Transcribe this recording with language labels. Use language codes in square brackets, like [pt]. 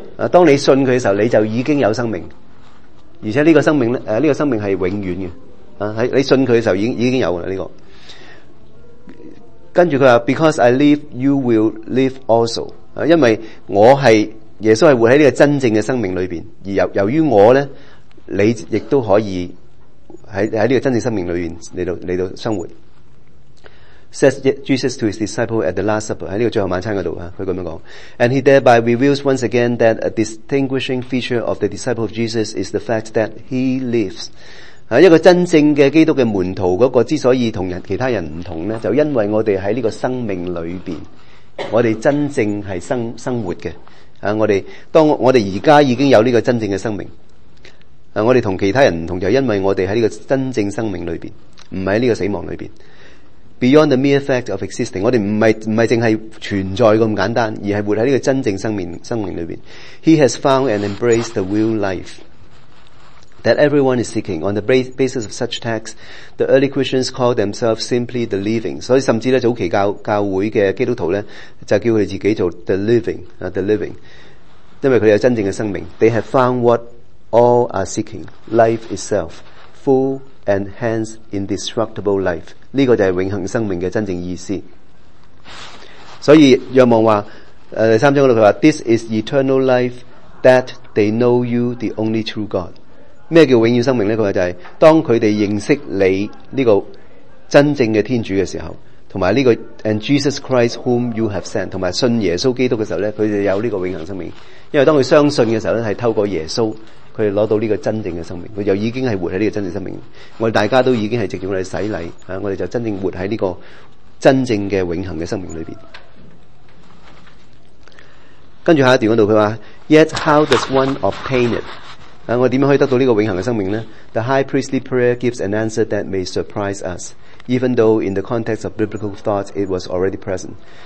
[zh] 當你信他的時候，你就已經有生命，而且這個生命這個生命是永遠的，你信他的時候已經有了。這個跟著他說 [en] Because I live, you will live also。 [zh] 因為我是耶穌，是活在這個真正的生命裏面，而由於我呢，你亦都可以在这个真正生命里面来到生活。 [en] Says Jesus to his disciples at the Last Supper, [zh] 在这个最后晚餐那里，他这样说， [en] And he thereby reveals once again that a distinguishing feature of the disciple of Jesus is the fact that he lives. [zh] 一个真正的基督的门徒那个之所以跟其他人不同呢，就因为我们在这个生命里面，我们真正是 生活的。我们当我们现在已经有这个真正的生命，我们跟其他人不同，就因为我们在这个真正生命里面，不是在这个死亡里面。 [en] Beyond the mere fact of existing, [zh] 我们不是只是存在那么简单，而是活在这个真正生命里面。 [en] He has found and embraced the real life. That everyone is seeking on the basis of such texts, the early Christians call themselves simply the living. [zh] 所以甚至早期 教会的基督徒呢，就叫他们自己做 the living,、the living. 因为他们有真正的生命。 [en] They have found what all are seeking, life itself, full and hence indestructible life. [zh] 这个就是永恒生命的真正意思。所以约望说，第三章那里他说 , [en] this is eternal life that they know you, the only true God. [zh] 什么叫永远生命呢？就是当他们认识你这个真正的天主的时候，还有这个 [en] And Jesus Christ whom you have sent, [zh] 还有信耶稣基督的时候，他们有这个永恒生命。因为当他相信的时候，是透过耶稣他们拿到这个真正的生命，他就已经是活在这个真正生命。我们大家都已经是藉着我们的洗礼，我们就真正活在这个真正的永恒的生命里面。跟着下一段那里，他说 [en] Yet how does one obtain it? [zh] 我怎样可以得到这个永恒的生命呢？ [en] The high priestly prayer gives an answer that may surprise us, even though in the context of biblical thought it was already present.